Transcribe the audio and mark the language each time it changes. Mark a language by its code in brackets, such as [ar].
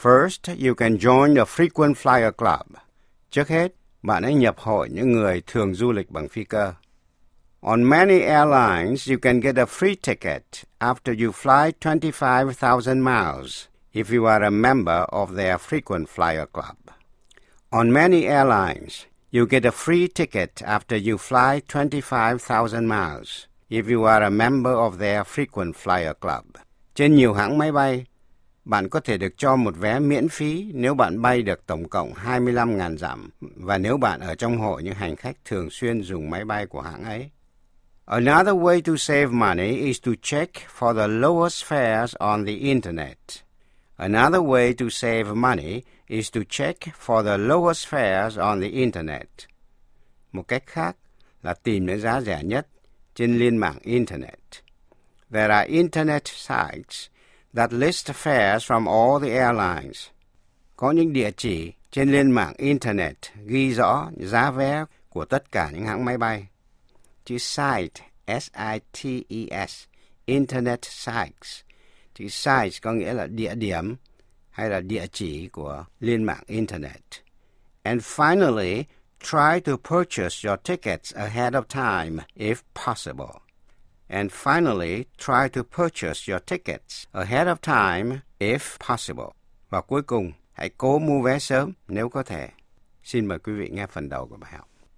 [en] First, you can join a frequent flyer club. [vi] Trước hết, bạn hãy nhập hội những người thường du lịch bằng phi cơ. [en] On many airlines, you can get a free ticket after you fly 25,000 miles if you are a member of their frequent flyer club. On many airlines, you get a free ticket after you fly 25,000 miles if you are a member of their frequent flyer club. [vi] Trên nhiều hãng máy bay, bạn có thể được cho một vé miễn phí nếu bạn bay được tổng cộng 25,000 dặm và nếu bạn ở trong hội những hành khách thường xuyên dùng máy bay của hãng ấy. [en] Another way to save money is to check for the lowest fares on the internet. Another way to save money is to check for the lowest fares on the internet. [vi] Một cách khác là tìm những giá rẻ nhất trên liên mạng internet. [en] There are internet sites that list fares from all the airlines. [vi] Có những địa chỉ trên liên mạng internet ghi rõ giá vé của tất cả những hãng máy bay. Chữ site, S-I-T-E-S, internet sites. Chữ site có nghĩa là địa điểm hay là địa chỉ của liên mạng internet. [en] And finally, try to purchase your tickets ahead of time if possible. And finally, try to purchase your tickets ahead of time if possible. [vi] Và cuối cùng, hãy cố mua vé sớm nếu có thể. Xin mời quý vị nghe phần đầu của bài học.